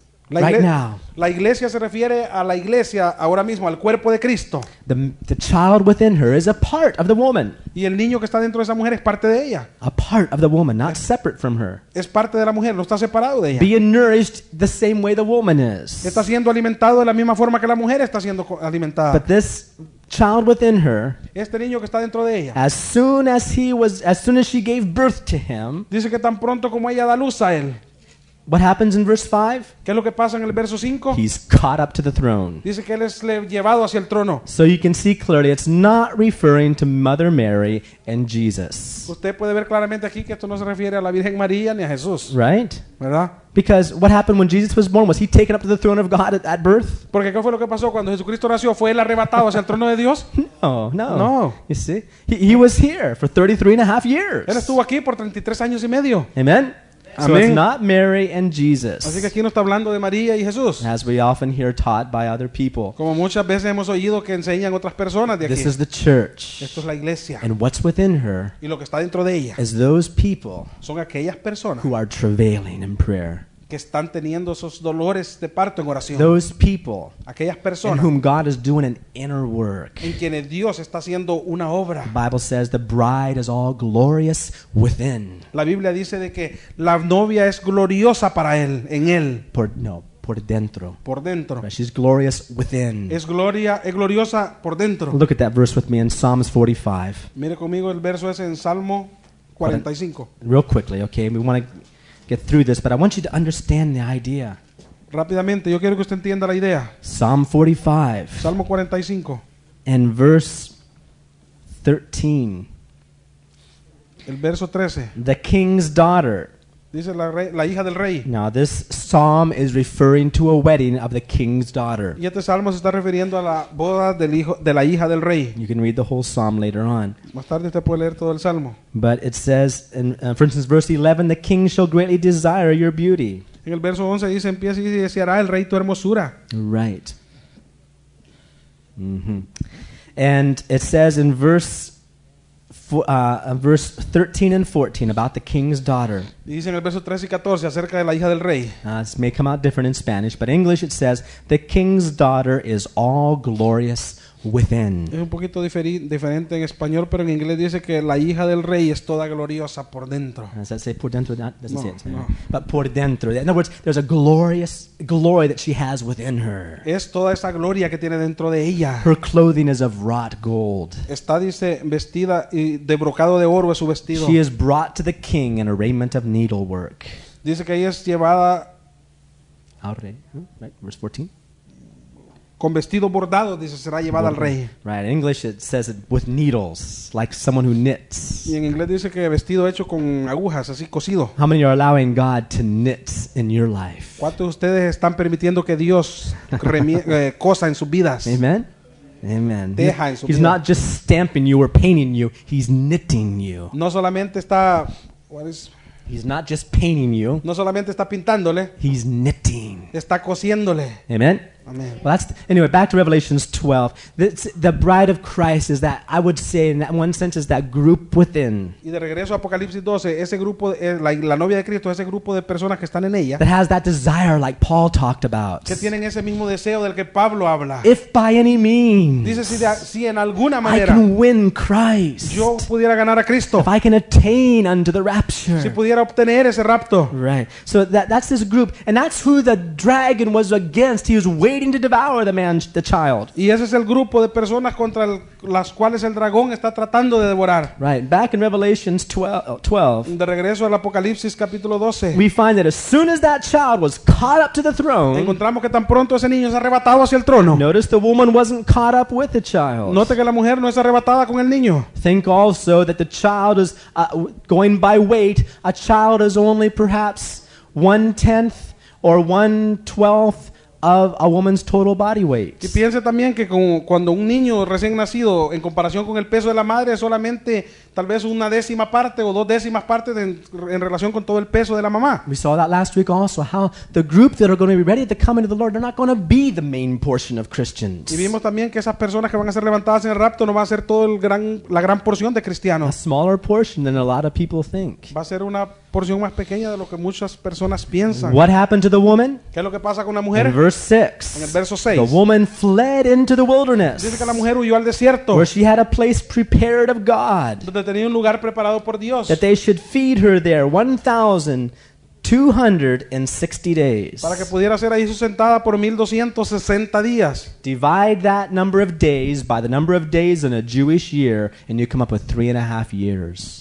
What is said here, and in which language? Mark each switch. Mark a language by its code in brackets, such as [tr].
[es] La iglesia se refiere a la iglesia ahora mismo, al cuerpo de Cristo. [en] The child within her is a part of the woman. [es] Y el niño que está dentro de esa mujer es parte de ella. [en] A part of the woman, not separate from her. [es] Es parte de la mujer, no está separado de ella. [en] Being nourished the same way the woman is. [es] Está siendo alimentado de la misma forma que la mujer está siendo alimentada. [en] But this child within her, [es] este niño que está dentro de ella, [en] as soon as she gave birth to him, [es] dice que tan pronto como ella da luz a él. [en] What happens in verse 5? [es] ¿Qué es lo que pasa en el verso 5? [en] He's caught up to the throne. [es] Dice que él es llevado hacia el trono. [en] So you can see clearly it's not referring to Mother Mary and Jesus. [es] Usted puede ver claramente aquí que esto no se refiere a la Virgen María ni a Jesús. [en] Right? [es] ¿Verdad? [en] Because what happened when Jesus was born? Was he taken up to the throne of God at birth? [es] Porque ¿qué fue lo que pasó cuando Jesucristo nació? ¿Fue él arrebatado hacia el trono de Dios? [en] No. You see? He was here for 33 and a half years. [es] Él estuvo aquí por 33 años y medio. [en] Amen. So it's not Mary and Jesus. [es] Así que aquí no está hablando de María y Jesús. [en] As we often hear taught by other people. [es] Como muchas veces hemos oído que enseñan otras personas de aquí. [en] This is the church. [es] Esto es la iglesia. [en] And what's within her? [es] Y lo que está dentro de ella. [en] Is those people. [es] Son aquellas personas. [en] Who are travailing in prayer. [es] Que están teniendo esos dolores de parto en oración. [en] Those people. [es] Aquellas personas. [en] In whom God is doing an inner work. [es] En quienes Dios está haciendo una obra. [en] The Bible says the bride is all glorious within. [es] La Biblia dice de que la novia es gloriosa para él, en él. Por dentro. [en] But she's glorious within. [es] Es gloriosa por dentro. [en] Look at that verse with me in Psalms 45. [es] Mire conmigo el verso ese en Salmo 45. [en] Real quickly, okay? We want to get through this, but I want you to understand the idea. [es] Rápidamente, yo quiero que usted entienda la idea. [en] Psalm 45. [es] Salmo 45. [en] And verse 13. [es] El verso 13. [en] The king's daughter. [es] Dice la hija del rey. [en] Now this psalm is referring to a wedding of the king's daughter. [es] Y este salmo se está refiriendo a la boda de la hija del rey. [en] You can read the whole psalm later on. [es] Más tarde usted puede leer todo el salmo. [en] But it says, for instance, verse 11, the king shall greatly desire your beauty. [es] En el verso 11 dice, empieza y dice, deseará el rey tu hermosura. [en] Right. Mm-hmm. And it says in verse 13 and 14 about the king's daughter. [es] Dice en el verso 13 y 14 acerca de la hija del rey. [en] This may come out different in Spanish, but in English it says the king's daughter is all glorious within. [es] Es un poquito diferente en español, pero en inglés dice que la hija del rey es toda gloriosa por dentro. [en] Does that say [es] por dentro? [en] That doesn't say it. But por dentro. In other words, there's a glorious glory that she has within her. [es] Es toda esa gloria que tiene dentro de ella. [en] Her clothing is of wrought gold. [es] Está, dice, vestida y de brocado de oro es su vestido. [en] She is brought to the king in a raiment of needlework. [es] Dice que ella es llevada al rey. [en] Verse 14. [es] Con vestido bordado, dice, será llevada al rey. [en] Right, in English it says it with needles, like someone who knits. [es] Y en inglés dice que vestido hecho con agujas, así cosido. [en] How many are allowing God to knit in your life? [es] ¿Cuántos de ustedes están permitiendo que Dios cosa en sus vidas? [en] Amen. Amen. [es] Deja en su vida. [en] He's not just stamping you or painting you, he's knitting you. [es] No solamente está, [en] He's not just painting you. [es] No solamente está pintándole. [en] He's knitting. [es] Está cosiéndole. [en] Amen. Amen. Well, anyway, back to Revelation 12. The bride of Christ is that, I would say, in that one sense, is that group within. [es] Y de regreso a Apocalipsis 12, ese grupo, la novia de Cristo, ese grupo de personas que están en ella. [en] That has that desire like Paul talked about. [es] Que tienen ese mismo deseo del que Pablo habla. [en] If by any means. [es] Dice si en alguna manera. [en] I can win Christ. [es] Yo pudiera ganar a Cristo. [en] If I can attain unto the rapture. rapture. [es] Si pudiera obtener ese rapto. [en] Right. So that's this group, and that's who the dragon was against. He was waiting to devour the man, the child. [es] Y ese es el grupo de personas contra las cuales el dragón está tratando de devorar. [en] Right. Back in Revelations 12. [es] De regreso al Apocalipsis capítulo 12. [en] We find that as soon as that child was caught up to the throne. [es] Encontramos que tan pronto ese niño es arrebatado hacia el trono. [en] Notice the woman wasn't caught up with the child. [es] Note que la mujer no es arrebatada con el niño. [en] Think also that the child is going by weight. A child is only perhaps 1/10 or 1/12 of a woman's total body weight. [es] Y piense también que cuando un niño recién nacido, en comparación con el peso de la madre, es solamente tal vez una décima parte o dos décimas partes en relación con todo el peso de la mamá. [en] We saw that last week also, how the group that are going to be ready to come into the Lord, they're not going to be the main portion of Christians. [es] Y vimos también que esas personas que van a ser levantadas en el rapto no van a ser todo la gran porción de cristianos. [en] A smaller portion than a lot of people think. [es] Va a ser una porción más pequeña de lo que muchas personas piensan. [en] What happened to the woman? [es] ¿Qué es lo que pasa con la mujer? [en] In verse 6. [es] En el verso 6. [en] The woman fled into the wilderness. [es] Dice que la mujer huyó al desierto. [en] Where she had a place prepared of God. [es] Donde tenía un lugar preparado por Dios. [en] That they should feed her there 1260 days. [es] Para que pudiera ser ahí sustentada por 1260 días. [en] Divide that number of days by the number of days in a Jewish year, and you come up with 3.5 years.